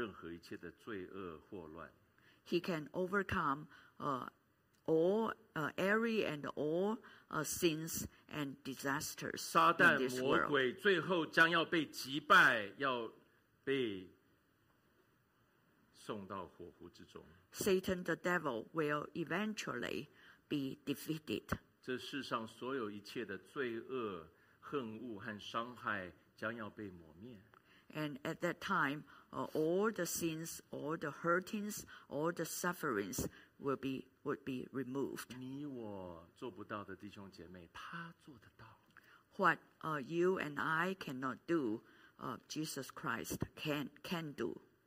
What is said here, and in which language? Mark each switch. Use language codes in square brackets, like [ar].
[zh] 他能够战胜这世上任何一切的罪恶祸乱。 [en] He can overcome every and all sins and disasters. [zh] 撒旦魔鬼最后将要被击败，要被送到火湖之中。 [en] Satan the devil will eventually be defeated. [zh] 这世上所有一切的罪恶、恨恶和伤害将要被抹灭。 [en] And at that time, all the sins, all the hurtings, all the sufferings would be removed. [zh] 你我做不到的弟兄姐妹, 他做得到。 [en] What you and I cannot do, Jesus Christ can do.